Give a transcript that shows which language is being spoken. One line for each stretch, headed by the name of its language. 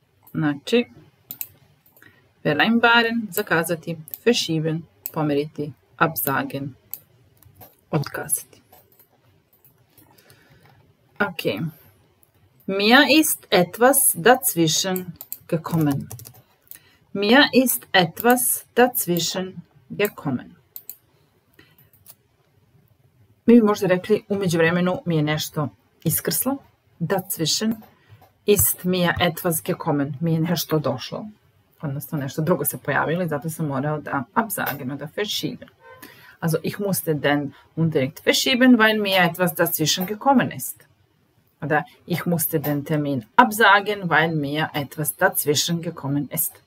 Serbian: Znači, vereinbaren, zakazati, verschieben, pomeriti, absagen, otkazati.
English: Okay.
German: Mir ist etwas dazwischen gekommen. Mir ist etwas dazwischen gekommen.
Serbian: Mi bi možda rekli, umeđu vremenu mi je nešto iskrslo.
German: Dazwischen ist mir etwas gekommen.
Serbian: Mi je nešto došlo. Odnosno nešto drugo se pojavilo i zato sam morao da
German: absagen, da verschieben. Also ich musste den Unterricht verschieben, weil mir etwas dazwischen gekommen ist. Oder ich musste den Termin absagen, weil mir etwas dazwischen gekommen ist.